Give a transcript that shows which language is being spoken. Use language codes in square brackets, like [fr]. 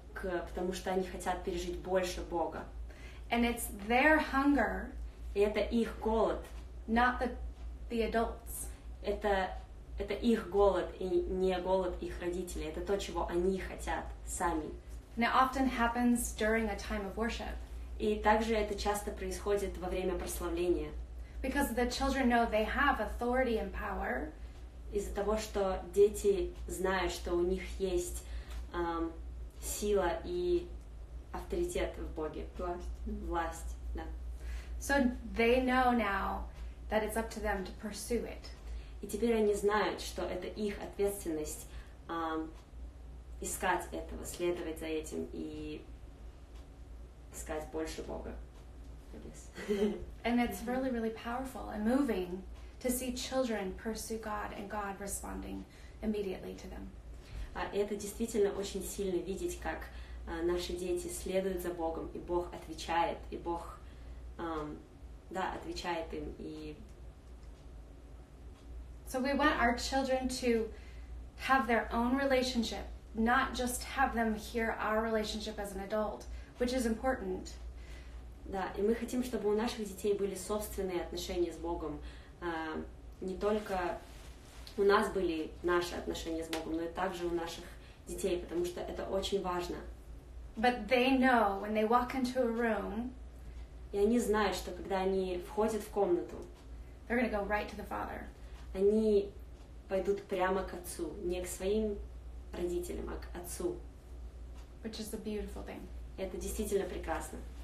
[ru] к, потому что они хотят пережить больше Бога. [en] And it's their hunger. [ru] И это их голод. [en] Not the adults. [ru] Это их голод и не голод их родителей. Это то, чего они хотят сами. [en] And it often happens during a time of worship. [ru] И также это часто происходит во время прославления. [en] Because the children know they have authority and power. [ru] из-за того, что дети знают, что у них есть сила и авторитет в Боге. Власть, да. [en] So they know now that it's up to them to pursue it. [ru] И теперь они знают, что это их ответственность искать этого, следовать за этим и искать больше Бога. [en] And it's really, really powerful and moving to see children pursue God and God responding immediately to them. [ru] Это действительно очень сильно видеть, как наши дети следуют за Богом, и Бог отвечает, и Бог, да, отвечает им, и... [en] So we want our children to have their own relationship, not just have them hear our relationship as an adult, which is important. [ru] Да, и мы хотим, чтобы у наших детей были собственные отношения с Богом. Не только у нас были наши отношения с Богом, но и также у наших детей, потому что это очень важно. [en] But they know when they walk into a room, [ru] и они знают, что когда они входят в комнату, [en] they're gonna go right to the Father. [ru] Они пойдут прямо к Отцу, не к своим родителям, а к Отцу. [en] Which is a beautiful thing. [ru] Это действительно прекрасно.